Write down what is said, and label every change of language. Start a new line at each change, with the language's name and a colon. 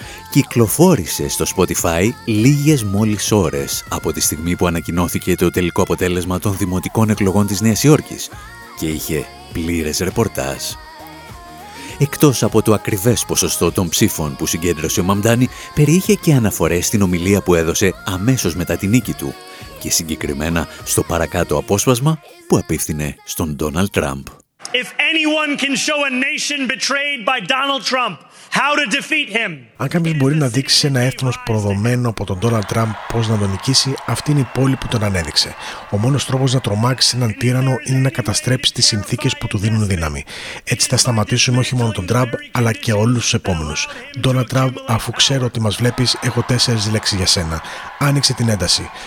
Greek: Κυκλοφόρησε στο Spotify λίγες μόλις ώρες από τη στιγμή που ανακοινώθηκε το τελικό αποτέλεσμα των δημοτικών εκλογών της Νέας Υόρκης και είχε πλήρες ρεπορτάζ. Εκτός από το ακριβές ποσοστό των ψήφων που συγκέντρωσε ο Μαμντάνι, περιείχε και αναφορές στην ομιλία που έδωσε αμέσως μετά την νίκη του και συγκεκριμένα στο παρακάτω απόσπασμα που απίφθινε στον Ντόναλντ Τραμπ.
English: If anyone can show a nation betrayed by Donald Trump, how to defeat him.
Greek: Αν κάποιος μπορεί να δείξει σε ένα έθνος προδομένο από τον Ντόναλντ Τραμπ πώς να τον νικήσει, αυτή είναι η πόλη που τον ανέδειξε. Ο μόνος τρόπος να τρομάξει έναν τύρανο είναι να καταστρέψει τις συνθήκες που του δίνουν δύναμη. Έτσι θα σταματήσουμε όχι μόνο τον Τραμπ, αλλά και όλους τους επόμενους. Ντόναλντ Τραμπ, αφού ξέρω ότι μας βλέπεις, έχω τέσσερις λέξεις για σένα. Άνοιξε την ένταση.